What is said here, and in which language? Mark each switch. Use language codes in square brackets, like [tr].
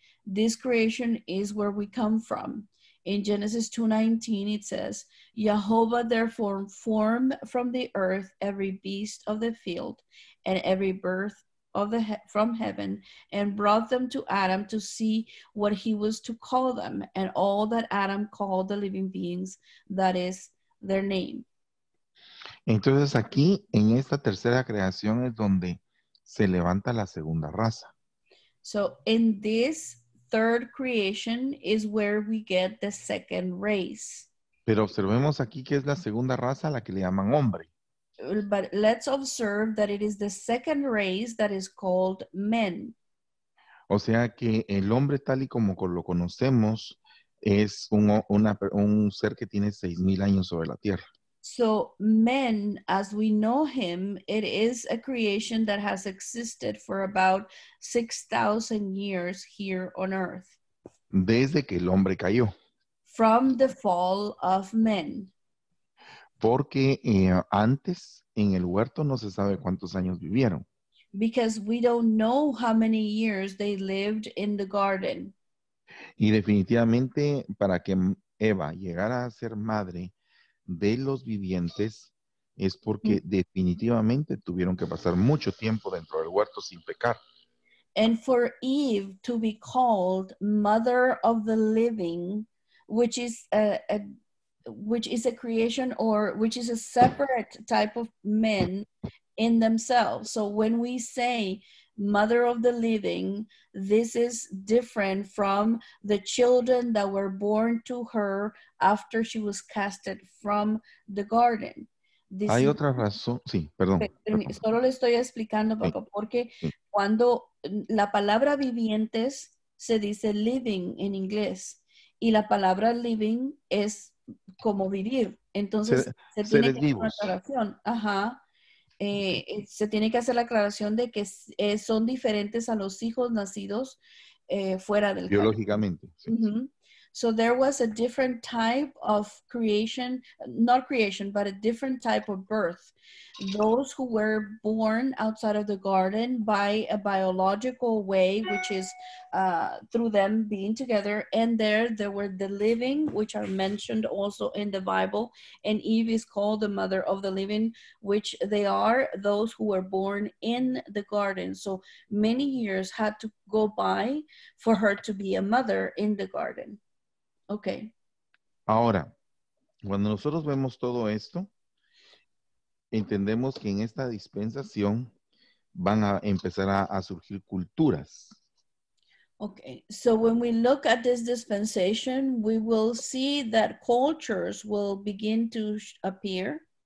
[en] This creation is where we come from. In Genesis 2:19, it says, Yehovah therefore formed from the earth every beast of the field and every bird of the from heaven, and brought them to Adam to see what he was to call them, and all that Adam called the living beings, that is their name. [es] Entonces aquí en esta tercera creación es donde se levanta la segunda raza. [en] So in this third creation is where we get the second race. [es] Pero observemos aquí que es la segunda raza a la que le llaman hombre. [en] But let's observe that it is the second race that is called men. [es] O sea que el hombre tal y como lo conocemos es un ser que tiene 6,000 años sobre la tierra. [en] So men, as we know him, it is a creation that has existed for about 6,000 years here on earth. [es] Desde que el hombre cayó. [en] From the fall of men. [es] Porque antes en el huerto no se sabe cuántos años vivieron. [en] Because we don't know how many years they lived in the garden. [es] Y definitivamente para que Eva llegara a ser madre de los vivientes es porque definitivamente tuvieron que pasar mucho tiempo dentro del huerto sin pecar. [en] And for Eve to be called mother of the living, which is a creation or which is a separate type of men in themselves. So when we say mother of the living, this is different from the children that were born to her after she was casted from the garden. [es] This Hay otra razón. Sí, perdón. Solo le estoy explicando, papá, porque cuando la palabra vivientes se dice living en inglés y la palabra living es como vivir. Entonces, se tiene que vivos. Hacer una aclaración. Ajá. Se tiene que hacer la aclaración de que son diferentes a los hijos nacidos fuera del biológicamente. [en] So there was a different type of creation, not creation, but a different type of birth. Those who were born outside of the garden by a biological way, which is through them being together. And there were the living, which are mentioned also in the Bible. And Eve is called the mother of the living, which they are those who were born in the garden. So many years had to go by for her to be a mother in the garden. Okay. [es] Ahora, cuando nosotros vemos todo esto, entendemos que en esta dispensación van a empezar a surgir culturas. Okay. [en] So when we look at this dispensation, we will see that cultures will begin to appear.